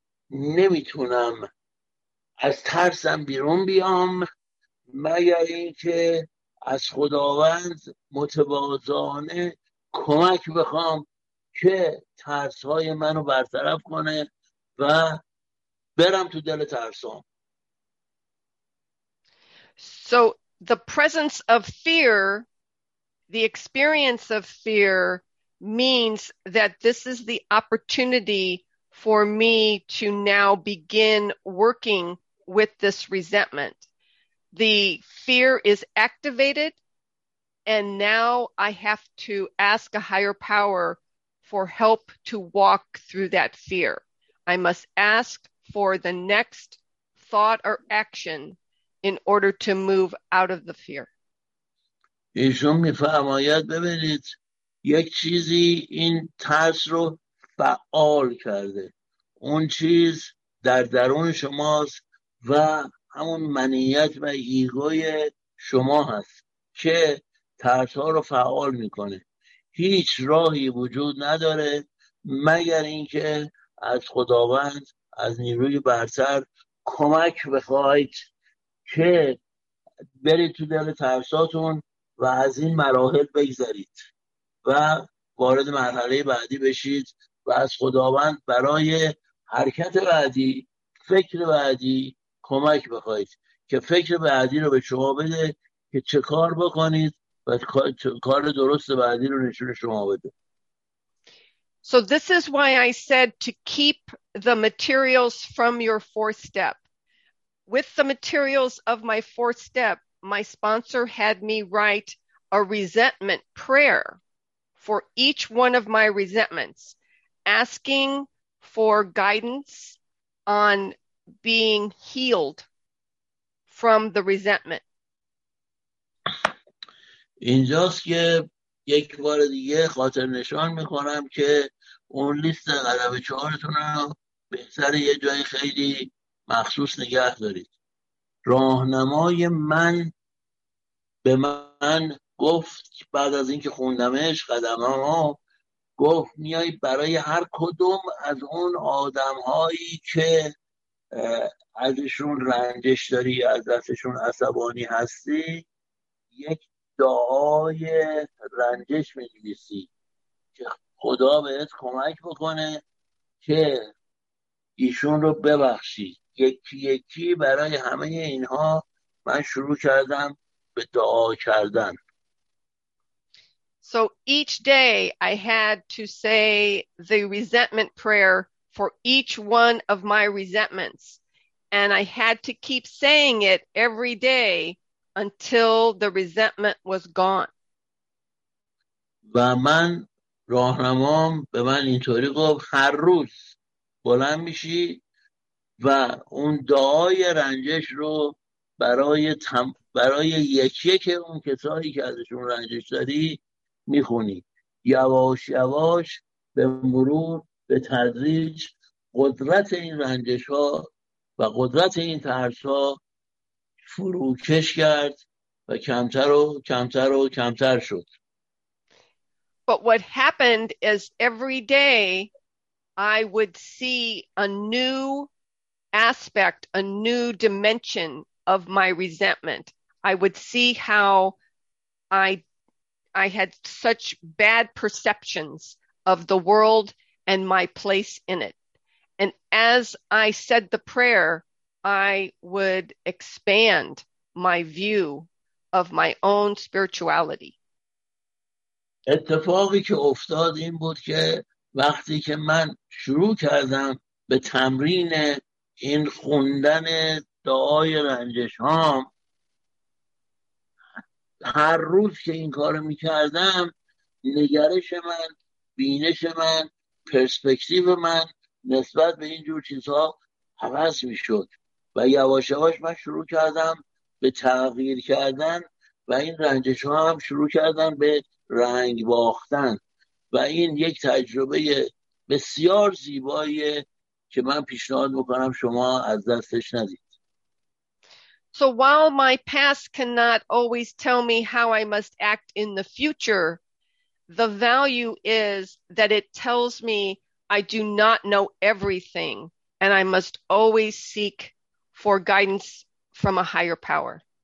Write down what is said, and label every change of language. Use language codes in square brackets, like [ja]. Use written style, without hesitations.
[fa] نمیتونم از ترسم بیرون بیام مگر اینکه از خداوند متواضعانه کمک بخوام که ترسهای منو برطرف کنه و برم تو دل ترسام. [en] So the presence of fear, the experience of fear means that this is the opportunity for me to now begin working with this resentment. The fear is activated, and now I have to ask a higher power for help to walk through that fear. I must ask for the next thought or action in order to move out of the fear. [fa] ایشون میفرماید ببینید یک چیزی این ترس رو فعال کرده، اون چیز در درون شماست و همون منیت و ایگوی شما هست که ترس ها رو فعال میکنه. هیچ راهی وجود نداره مگر اینکه از خداوند، از نیروی برتر کمک بخواید که برید تو دل ترساتون و از این مراحل بگذرید و وارد مرحله بعدی بشید و از خداوند برای حرکت بعدی، فکر بعدی کمک بخواید که فکر بعدی رو به شما بده که چه کار بکنید و کار درست بعدی رو نشون شما بده. [en] So this is why I said to keep the materials from your fourth step. With the materials of my fourth step, my sponsor had me write a resentment prayer for each one of my resentments, asking for guidance on being healed from the resentment. [fa] اینجاست که یک بار دیگه خاطر نشان میکنم که اون لیست قدم چهارتون رو بهتر یه جای خیلی مخصوص نگه دارید. راهنمای من به من گفت بعد از اینکه خوندمش قدم ها، گفت میای برای هر کدوم از اون آدم هایی که ازشون رنجش داری، ازشون عصبانی هستی، یک دعای رنجش می‌نویسی که خدا بهت کمک بکنه که ایشون رو ببخشی. یکی یکی برای همه اینها من شروع کردم به دعا کردن. [en] So each day I had to say the resentment prayer for each one of my resentments, and I had to keep saying it every day until the resentment was gone. [fa] و من راهنمام به من اینطوری گفت هر روز بلند میشی و اون دعای رنجش رو برای یکی که اون کسایی که ازشون رنجش داری میخونی. یواش یواش به مرور به تدریج قدرت این رنجش ها و قدرت این ترس ها فروکش کرد و کمتر و کمتر و کمتر شد. [en] But what happened is every day I would see a new aspect, a new dimension of my resentment. I would see how I had such bad perceptions of the world and my place in it. And as I said the prayer, I would expand my view of my own spirituality. [fa] اتفاقی که افتاد این بود که وقتی که من شروع کردم به تمرین این خوندن دعای رنجش هام، هر روز که این کار می کردم نگرش من، بینش من، پرسپکتیو من نسبت به این جور چیزها عوض می شد و یواش یواش من شروع کردم به تغییر کردن و این رنجش ها هم شروع کردم به رنگ باختن و این یک تجربه بسیار زیباییه که من پیشنهاد میکنم شما از دستش ندید. [en] So while my past cannot always tell me how I must act in the future, the value is that it tells me I do not know everything and I must always seek for guidance from a higher power.